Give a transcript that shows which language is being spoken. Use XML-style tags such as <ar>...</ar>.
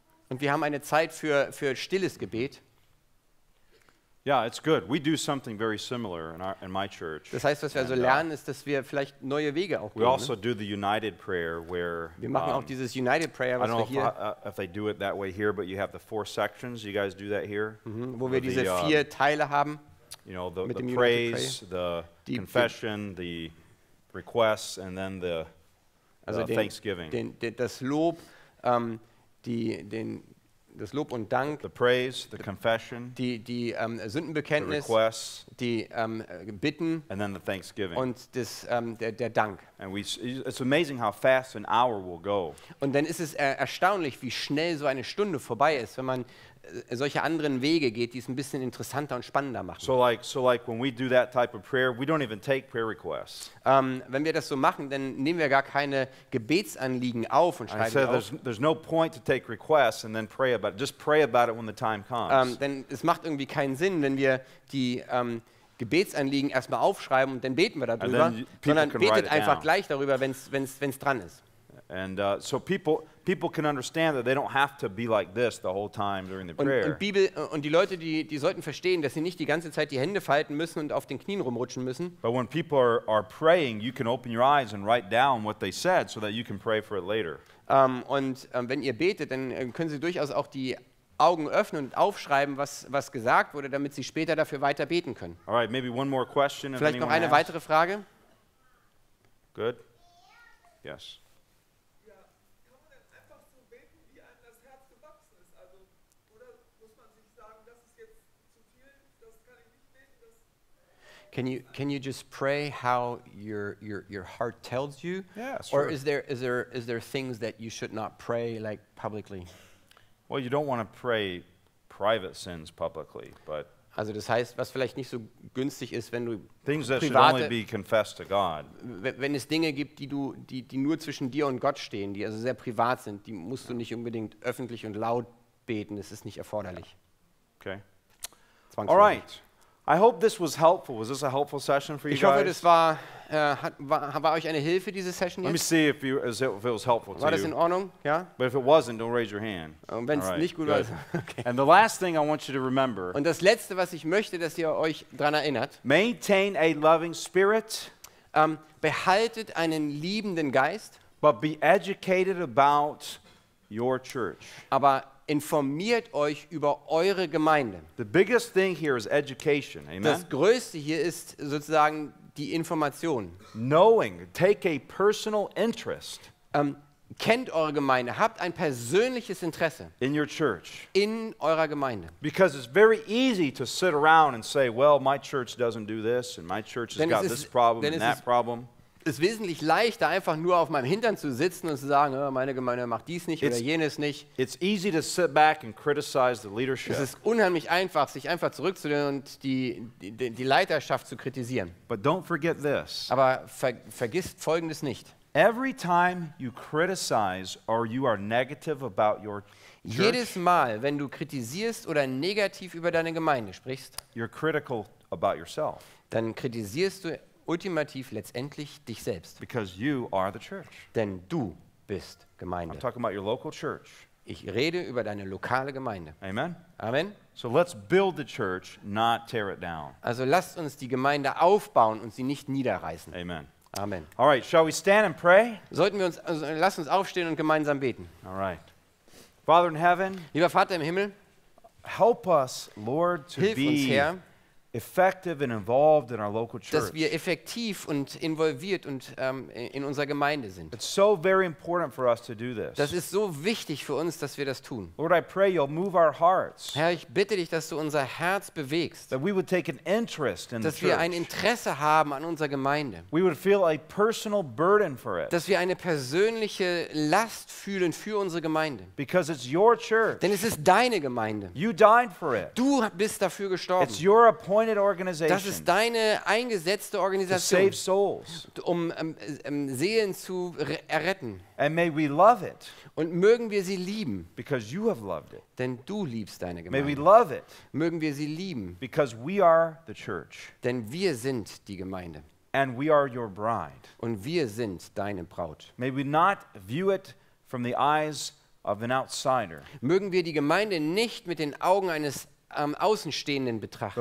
<de>Und wir haben eine Zeit für stilles Gebet.</de> <en>Yeah, it's good. We do something very similar in my church.</en> <de>Das heißt, was wir also lernen, ist, dass wir vielleicht neue Wege auch gehen.</de> <en>We also do the United Prayer, where</en> <de>wir machen auch dieses United Prayer, was wir hier.</de> <en>I don't know if they do it that way here, but you have the four sections. You guys do that here.</en> <de>Mm-hmm. Wo wir diese vier Teile haben.</de> <en>You know, the praise, the confession, the requests, and then the thanksgiving.</en> <de>Das Lob und Dank,</de> <en>the praise, the confession,</en> <de>die Sündenbekenntnis,</de> <en>the requests,</en> <de>die Bitten</de> <en>and then the thanksgiving.</en> <de>Und das, der Dank.</de> <en>And it's amazing how fast an hour will go.</en> <de>Und dann ist es erstaunlich, wie schnell so eine Stunde vorbei ist, wenn man solche anderen Wege geht, die es ein bisschen interessanter und spannender machen.</de> <en>So like when we do that type of prayer, we don't even take prayer requests.</en> <de>Wenn wir das so machen, dann nehmen wir gar keine Gebetsanliegen auf und schreiben sie auf.</de> <en>There's no point to take requests and then pray about it. Just pray about it when the time comes.</en> <de>Denn es macht irgendwie keinen Sinn, wenn wir die Gebetsanliegen erstmal aufschreiben und dann beten wir darüber, sondern betet einfach gleich darüber, wenn's dran ist.</de> <en>And so people can understand that they don't have to be like this the whole time during the prayer.</en> <de>Und die Leute, die sollten verstehen, dass sie nicht die ganze Zeit die Hände falten müssen und auf den Knien rumrutschen müssen.</de> <en>But when people are praying, you can open your eyes and write down what they said so that you can pray for it later.</en> <de>Wenn ihr betet, dann können sie durchaus auch die Augen öffnen und aufschreiben, was gesagt wurde, damit sie später dafür weiter beten können.</de> <en>All right, maybe one more question.</en> <de>Vielleicht noch eine weitere Frage?</de> <en>Good. Yes. Can you just pray how your heart tells you? Yeah, sure. Or is there things that you should not pray like publicly? Well, you don't want to pray private sins publicly, but</en> <de>also das heißt, was vielleicht nicht so günstig ist, wenn du</de> <en>things that should only be confessed to God.</en> <de>Wenn es Dinge gibt, die nur zwischen dir und Gott stehen, die also sehr privat sind, die musst du nicht unbedingt öffentlich und laut beten. Es ist nicht erforderlich.</de> <en>Okay.</en> <de>Zwangsläufig.</de> <en>All right. I hope this was helpful. Was this a helpful session for you guys?</en> <de>Ich hoffe, das war euch eine Hilfe, diese Session jetzt?</de> <en>Let me see if it was helpful to you.</en> <de>War das in Ordnung? Ja?</de> <en>But if it wasn't, don't raise your hand.</en> <de>Und wenn es nicht gut war, okay.</de> <en>And the last thing I want you to remember.</en> <de>Und das Letzte, was ich möchte, dass ihr euch dran erinnert.</de> <en>Maintain a loving spirit.</en> <de>Behaltet einen liebenden Geist.</de> <en>But be educated about your church.</en> <de>Aber informiert euch über eure Gemeinde.</de> <en>The biggest thing here is education. Amen?</en> <de>Das Größte hier ist sozusagen die Information.</de> <en>Knowing, take a personal interest.</en> <de>Kennt eure Gemeinde, habt ein persönliches Interesse</de> <en>in your church.</en> <de>In eurer Gemeinde.</de> <en>Because it's very easy to sit around and say, well, my church doesn't do this and my church has got this problem and that problem.</en> <de>Es ist wesentlich leichter, einfach nur auf meinem Hintern zu sitzen und zu sagen, oh, meine Gemeinde macht dies nicht oder jenes nicht.</de> <en>It's easy to sit back and criticize the leadership.</en> <de>Es ist unheimlich einfach, sich einfach zurückzulehnen und die Leiterschaft zu kritisieren.</de> <en>But don't forget this.</en> <de>Aber vergiss Folgendes nicht.</de> <en>Every time you criticize or you are negative about your church,</en> <de>jedes Mal, wenn du kritisierst oder negativ über deine Gemeinde sprichst,</de> <en>you're critical about yourself.</en> <de>Dann kritisierst du ultimativ letztendlich dich selbst.</de> <en>Because you are the church.</en> <de>Denn du bist Gemeinde.</de> <en>I'm talking about your local church.</en> <de>Ich rede über deine lokale Gemeinde.</de> <en>Amen.</en> <de>Amen.</de> <en>So let's build the church, not tear it down.</en> <de>Also lasst uns die Gemeinde aufbauen und sie nicht niederreißen.</de> <en>Amen.</en> <de>Amen.</de> <en>All right, shall we stand and pray?</en> <de>Sollten wir uns also, lass uns aufstehen und gemeinsam beten.</de> <en>All right. Father in heaven.</en> <de>Lieber Vater im Himmel.</de> <en>Help us, Lord, to</en> <de>hilf</de> <en>be</en> <de>uns, Herr,</de> <en>effective and involved in our local church.</en> <de>Dass wir effektiv und involviert und in unserer Gemeinde sind.</de> <en>It's so very important for us to do this.</en> <de>Das ist so wichtig für uns, dass wir das tun.</de> <en>Lord, I pray you'll move our hearts.</en> <de>Herr, ich bitte dich, dass du unser Herz bewegst.</de> <en>That we would take an interest in</en> <de>dass</de> <en>the</en> <de>wir</de> <en>church.</en> <de>Ein Interesse haben an unserer Gemeinde.</de> <en>We would feel a personal burden for it.</en> <de>Dass wir eine persönliche Last fühlen für unsere Gemeinde.</de> <en>Because it's your church.</en> <de>Denn es ist deine Gemeinde.</de> <en>You died for it.</en> <de>Du bist dafür gestorben.</de> <en>It's your appointment.</en> <de>Das ist deine eingesetzte Organisation,</de> <en>save souls.</en> <de>Um Seelen zu erretten.</de> <en>And may we love it.</en> <de>Und mögen wir sie lieben.</de> <en>Because you have loved it.</en> <de>Denn du liebst deine Gemeinde.</de> <en>May we love it.</en> <de>Mögen wir sie lieben.</de> <en>Because we are the church.</en> <de>Denn wir sind die Gemeinde.</de> <en>And we are your bride.</en> <de>Und wir sind deine Braut.</de> <en>May we not view it from the eyes of an outsider.</en> <de>Mögen wir die Gemeinde nicht mit den Augen eines Außenstehenden betrachten.</de>